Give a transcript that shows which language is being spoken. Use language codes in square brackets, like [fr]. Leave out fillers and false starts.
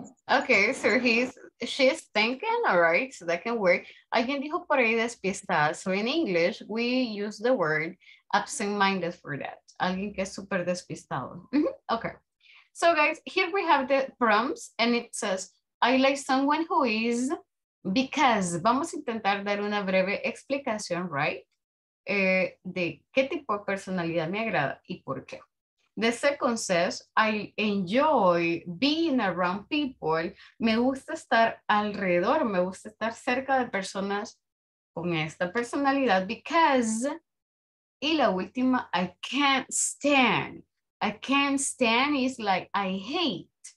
[en] Okay, so she's thinking, all right, so that can work. [es] Alguien dijo por ahí despistada. [en] So in English, we use the word absent-minded for that. [es] Alguien que es súper despistado. [en] Okay. So guys, here we have the prompts and it says, I like someone who is because. [es] Vamos a intentar dar una breve explicación, right? De qué tipo de personalidad me agrada y por qué. [en] The second says, I enjoy being around people. [es] Me gusta estar alrededor, me gusta estar cerca de personas con esta personalidad because. Y la última, [en] I can't stand. I can't stand is like, I hate.